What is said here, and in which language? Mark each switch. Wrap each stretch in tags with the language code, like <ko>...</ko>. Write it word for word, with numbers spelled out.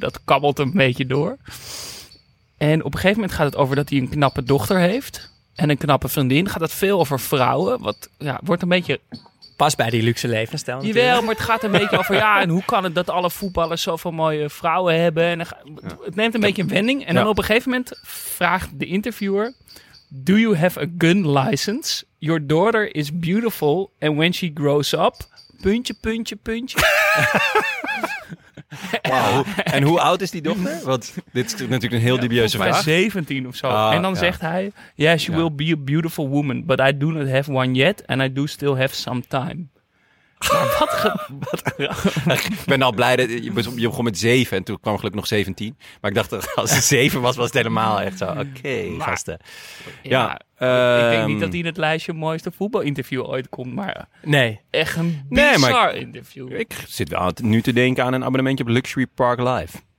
<nl>Dat kabbelt een beetje door. En op een gegeven moment gaat het over dat hij een knappe dochter heeft. En een knappe vriendin. Gaat het veel over vrouwen. Wat ja, wordt een beetje... Pas bij die luxe levensstijl. Jawel, maar het gaat een beetje over... ja, en hoe kan het dat alle voetballers zoveel mooie vrouwen hebben? En het neemt een beetje een wending. En dan ja. op een gegeven moment vraagt de interviewer...</nl> <en>Do you have a gun license? Your daughter is beautiful and when she grows up...</en> <nl>Puntje, puntje, puntje. Wauw. En hoe oud is die dochter? Want dit is natuurlijk een heel ja, dubieuze vraag. zeventien of zo. Ah, en dan ja. zegt hij...</nl> <en>Yeah, she</en> <nl>ja.</nl> <en>will be a beautiful woman. But I do not have one yet. And I do still have some time.</en> <nl>Maar wat... Ge- wat ik ben al blij dat... Je begon met zeven. En toen kwam gelukkig nog zeventien. Maar ik dacht dat als het zeven was, was het helemaal echt zo. Oké, okay, gasten. Ja... Uh, ik denk niet dat hij in het lijstje mooiste voetbalinterview ooit komt, maar nee. echt een bizar nee, interview. Ik, ik zit wel nu te denken aan een abonnementje op Luxury Park Live.</nl>